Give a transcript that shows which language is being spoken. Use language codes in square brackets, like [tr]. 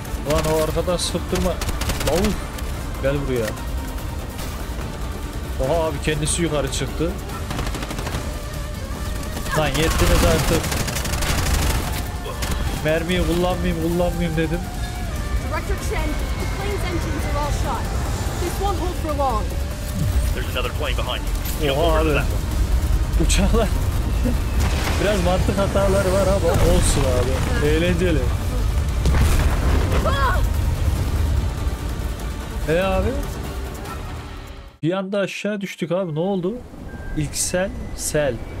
[tr] Ulan o arkadan sıktırma. Lavuk. Gel buraya. Oha abi kendisi yukarı çıktı. Lan yettiniz artık. Mermiyi kullanmayayım kullanmayayım dedim. [en] Director Chen, the plane's engines are all shot. This won't hold for long. There's another plane behind you. [tr] Oha abi. Uçaklar. Biraz mantık hataları var ama olsun abi. Eğlenceli. Abi? Bir anda aşağı düştük abi. Ne oldu? İlksel sel.